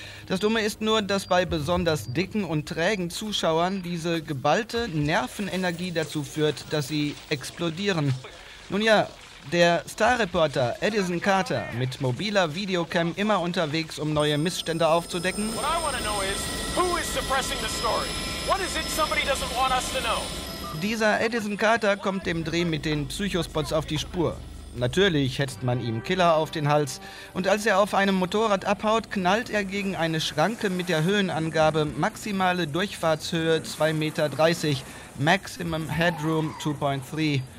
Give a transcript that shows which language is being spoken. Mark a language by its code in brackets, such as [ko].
[de] Das Dumme ist nur, dass bei besonders dicken und trägen Zuschauern diese geballte Nervenenergie dazu führt, dass sie explodieren. Nun ja, der Starreporter Edison Carter mit mobiler Videocam immer unterwegs, um neue Missstände aufzudecken. [en] What I want to know is, who is suppressing the story? What is it somebody doesn't want us to know? [de] Dieser Edison Carter kommt dem Dreh mit den Psychospots auf die Spur. Natürlich hetzt man ihm Killer auf den Hals. Und als er auf einem Motorrad abhaut, knallt er gegen eine Schranke mit der Höhenangabe maximale Durchfahrtshöhe 2,30 Meter, Maximum Headroom 2,3.